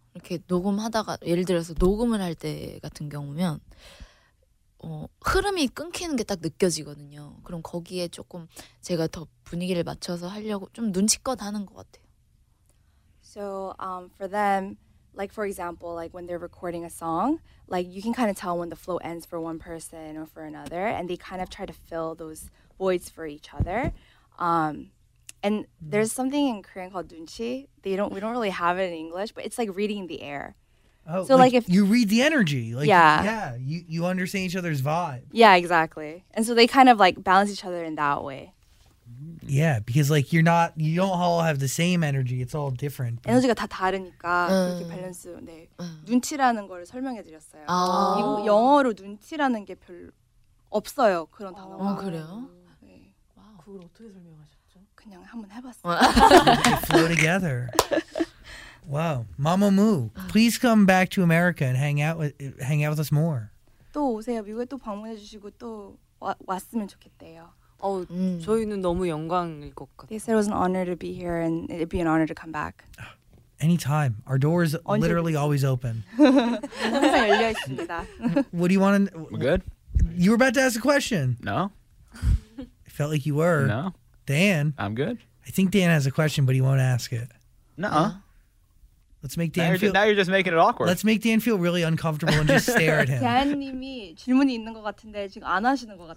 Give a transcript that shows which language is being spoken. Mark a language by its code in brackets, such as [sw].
[ko] 이렇게 녹음하다가 예를 들어서 녹음을 할 때 같은 경우면 흐름이 끊기는 게 딱 느껴지거든요. 그럼 거기에 조금 제가 더 분위기를 맞춰서 하려고 좀 눈치껏 하는 것 같아요. [en] So for them, like for example, like when they're recording a song, like you can kind of tell when the flow ends for one person or for another, and they kind of try to fill those voids for each other. And there's something in Korean called 눈치. We don't really have it in English, but it's like reading the air. Oh, so like if you read the energy, like, yeah, you understand each other's vibe. Yeah, exactly. And so they kind of like balance each other in that way. Yeah, because like you don't all have the same energy. It's all different. [ko] 에너지가 다 다르니까 그렇게 밸런스. 네, 눈치라는 걸 설명해 드렸어요. 아. 영어로 눈치라는 게 별 없어요. 그런 단어가. 아, 그래요? 그걸 어떻게 설명하셨죠? 그냥 한번 해봤어요. [en] Flow together. Wow, Mamamoo, please come back to America and hang out with us more. [ko] 또 오세요. 미국에 또 방문해주시고 또 왔으면 좋겠대요. 저희는 너무 영광일 것 같아요. [en] They said it was an honor to be here and it'd be an honor to come back. Anytime. Our door is literally always open. [ko] 항상 열려 있습니다. [en] What do you want to? We're good. You were about to ask a question. No. Felt like you were. No. Dan. I'm good. I think Dan has a question, but he won't ask it. Nuh-uh. Let's make Dan Now you're just making it awkward. Let's make Dan feel really uncomfortable and just stare at him. [ko] Dan님이 질문이 있는 것 같은데 지금 안 하시는 것 같아요.